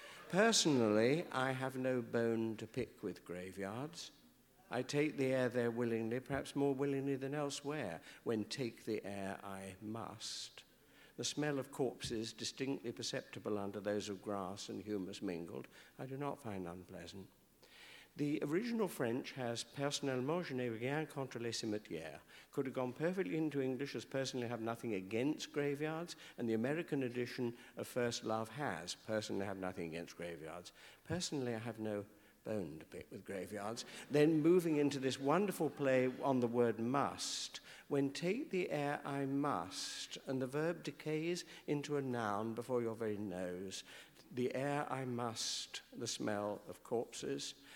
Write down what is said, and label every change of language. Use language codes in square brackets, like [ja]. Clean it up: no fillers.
[en] Personally, I have no bone to pick with graveyards. I take the air there willingly, perhaps more willingly than elsewhere, when take the air I must. The smell of corpses, distinctly perceptible under those of grass and humus mingled, I do not find unpleasant. The original French has [fr] personnellement je n'ai rien contre les cimetières. [en] Could have gone perfectly into English as personally have nothing against graveyards, and the American edition of First Love has personally have nothing against graveyards. Personally, I have no bone to pick with graveyards. Then moving into this wonderful play on the word must, when take the air I must, and the verb decays into a noun before your very nose, the air I must, the smell of corpses.